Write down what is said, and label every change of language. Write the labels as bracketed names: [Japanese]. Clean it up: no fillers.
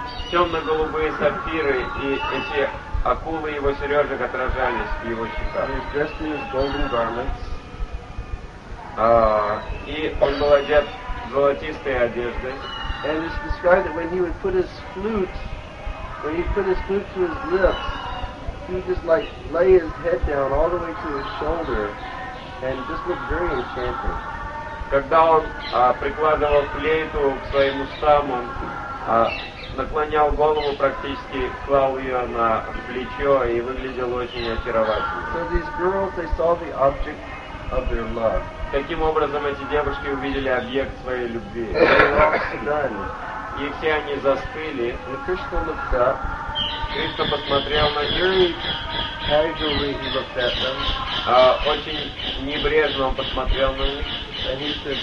[Russian] темно-голубые сапфиры и эти акулы его сережек отражались в его щеках. И он был одет в золотистые одежды. [English] And it's described that when he would put his flute, when he put his flute to his lips, he would just like lay his head down all the way to his shoulder and just look very enchanting. [Russian] Когда он прикладывал флейту к своим устам, он наклонял голову практически, клал ее на плечо и выглядел очень очаровательно. [English] So these girls, they saw the object of their love. [Russian] Таким образом эти девушки увидели объект своей любви. И все они застыли. Кришна посмотрел на них. Очень небрежно он посмотрел на них.